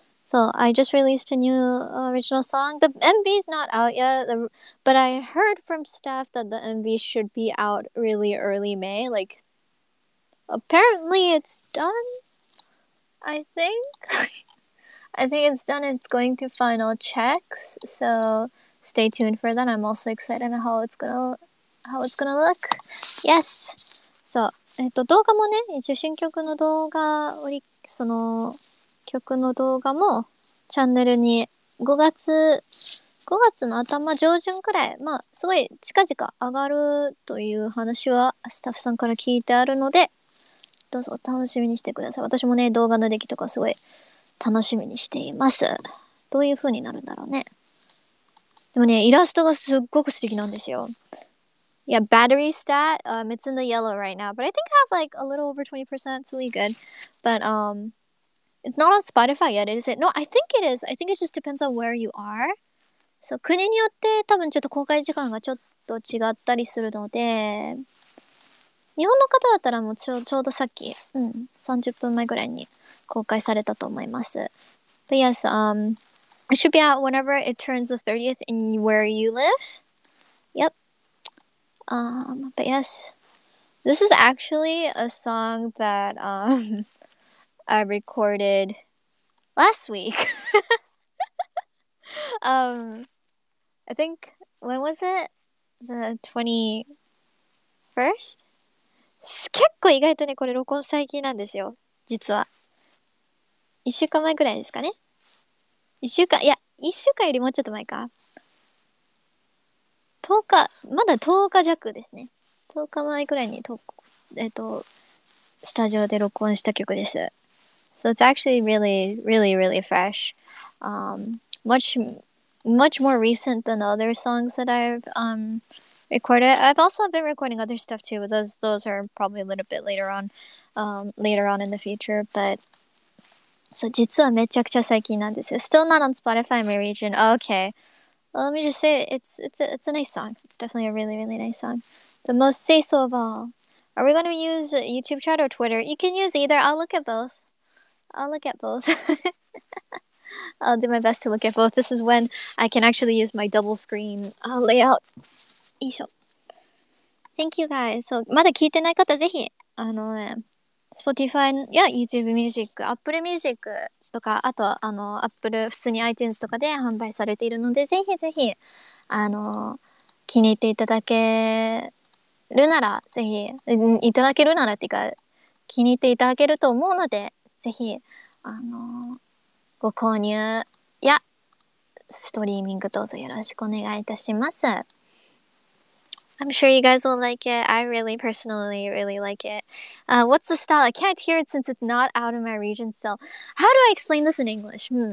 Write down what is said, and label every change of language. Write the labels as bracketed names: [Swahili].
[English] So, I just released a new original song. The MV's not out yet, but I heard from staff that the MV should be out really early May. Like, apparently it's done, I think. I think it's done. It's going through final checks, so... Stay tuned for that. I'm also excited on how it's gonna look. Yes! [Japanese] So, 動画もね、一応新曲の動画、その曲の動画もチャンネルに5月の頭上旬くらい、まあ、すごい近々上がるという話はスタッフさんから聞いてあるので、どうぞ楽しみにしてください。私もね、動画の出来とかすごい楽しみにしています。どういう風になるんだろうね。でもね、イラストがすっごく素敵なんですよ。 [English] Yeah, battery stat, it's in the yellow right now, but I think I have like a little over 20%, it's really good. But, it's not on Spotify yet, is it? No, I think it is. I think it just depends on where you are. [Japanese] So, 国によって多分ちょっと公開時間がちょっと違ったりするので、日本の方だったらもうちょうどさっき、30分前ぐらいに公開されたと思います。 [English] But yes, It should be out whenever it turns the 30th in where you live. Yep. But yes. This is actually a song that I recorded last week. I think, when was it? The 21st? [Japanese] 結構意外とね、これ録音最近なんですよ。実は。一週間前ぐらいですかね。 1週間よりもうちょっと前か。 10日、まだ10日弱ですね。10日前くらいに、スタジオで録音した曲です。 [English] So it's actually really, really, really fresh. Much, much more recent than the other songs that I've, recorded. I've also been recording other stuff too, but those are probably a little bit later on in the future, but... [Japanese] So, 実はめちゃくちゃ最近なんですよ。 [English] Still not on Spotify, my region. Okay. Well, let me just say, it's a nice song. It's definitely a really, really nice song. The most say-so of all. Are we going to use YouTube chat or Twitter? You can use either. I'll look at both. I'll do my best to look at both. This is when I can actually use my double screen layout. [Japanese] よいしょ。 [English] Thank you, guys. So, [Japanese] まだ聞いてない方、ぜひ、 Spotify や YouTube Music、Apple Music とか、あとはあの Apple 普通に iTunes とかで販売されているので、ぜひぜひ、気に入っていただけるなら、ぜひ、いただけるならっていうか、気に入っていただけると思うので、ぜひ、ご購入やストリーミングどうぞよろしくお願いいたします。 [English] I'm sure you guys will like it. I really personally really like it. What's the style? I can't hear it since it's not out of my region still. How do I explain this in English?